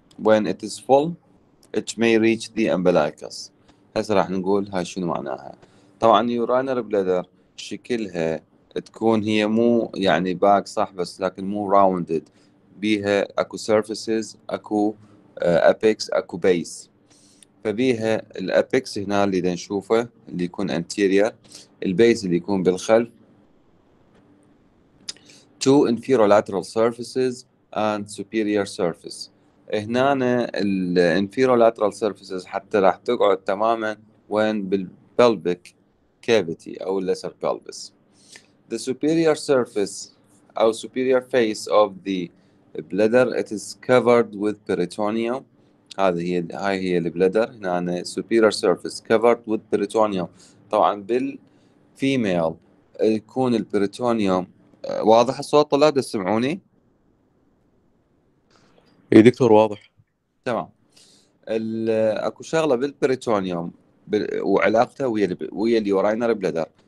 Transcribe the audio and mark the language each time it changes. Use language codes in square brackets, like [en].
[en] When it is full it may reach the umbilicus. [ar] هسه راح نقول هاي شنو معناها. طبعا urinary bladder شكلها تكون هي مو يعني باك صح، بس لكن مو rounded، بيها اكو surfaces، اكو apex، اكو base. فبيها الapex هنا اللي نشوفه اللي يكون anterior، البيس اللي يكون بالخلف، [en] two inferolateral surfaces and superior surface. [ar] هنا الانفيرولاترال سيرفيسز حتى راح تقعد تماما وين بالبلبيك كافيتي او الليسر بلبس. [en] The superior surface او superior face of the bladder it is covered with peritoneum. [ar] هاي هي البلدر هنا [en] superior surface covered with peritoneum. [ar] طبعا بالفيميل يكون البريتونيوم واضح الصوت طلاب تسمعوني؟ اي دكتور واضح تمام. اكو شغله بالبريتونيوم وعلاقته ويا اليورينري بلادر.